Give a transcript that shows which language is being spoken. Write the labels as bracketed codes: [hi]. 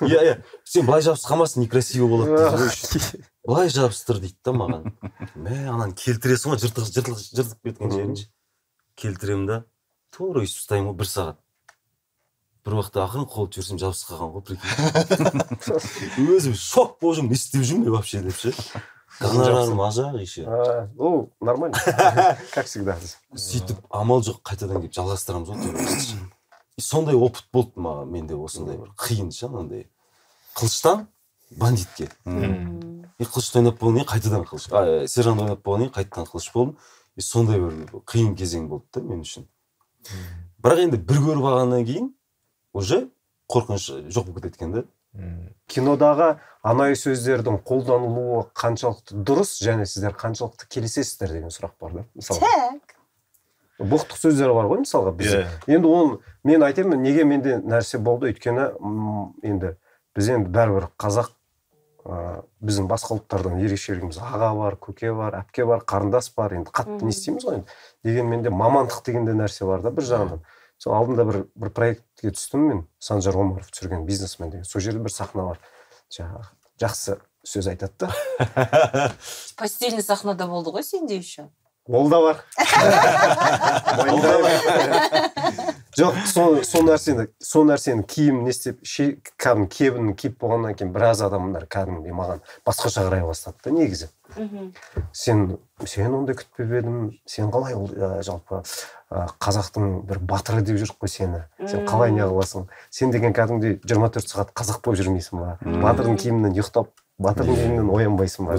[kk] иә сен былай жабысып қалмасын некрасиво болады дейді былай жабыстыр дейді да маған мә ананы келтіресің ғой жыртық кеткен жерінші келтіремін да тура өйтіп ұстаймын ғой бір сағат бір уақытта ақырын қолды жіберсем жабысып қалған ғой прикинь өзім шок болып жүрмін не істеп жүрмін мен вообще деп ше гонорарым ажақ еще [ru] ну нормально как всегда [kk] сөйтіп амал жоқ қайтадан келіп жалғастырамыз ғой сондай опыт болды маған менде осындай бір қиын ше анандай қылыштан бандитке и қылышты ойнап болған кейін қайтадан қылыш сержант ойнап болған кейін қайтадан қылыш болдым и сондай бір қиын кезең болды да мен үшін бірақ енді бір көріп алғаннан кейін уже қорқыныш жоқ болып кетеді екен да кинодағы анайы сөздердің қолданылуы қаншалықты дұрыс және сіздер қаншалықты келісесіздер деген сұрақ бар да мысалы боқтық сөздер бар ғой мысалға бізде енді оны мен айтайын неге менде нәрсе болды өйткені енді біз енді бәрібір қазақ біздің басқа ұлттардан ерекшелігіміз аға бар көке бар әпке бар қарындас бар енді қатты не істейміз ғой енді дегенменде мамандық деген де нәрсе бар да бір жағынан сол алдында бір проектке түстім мен санжар омаров түсірген бизнесмен деген сол жерде бір сахна бар жаңағы жақсы сөз айтады да постельный сахнада болды ғой сенде еще ол да бар жоқ сол нәрсені киім не істеп кәдімгі кебінін киіп болғаннан кейін біраз адамдар кәдімгідей маған басқаша қарай бастады да негізі сен ондай күтпеп едім сен қалай ол жалпы қазақтың бір батыры деп жүрік қой сені сен қалай неғыласың сен деген кәдімгідей 24 сағат қазақ болып жүрмейсің ба батырдың киімінен ұйықтап батырдың киімінен оянбайсың ба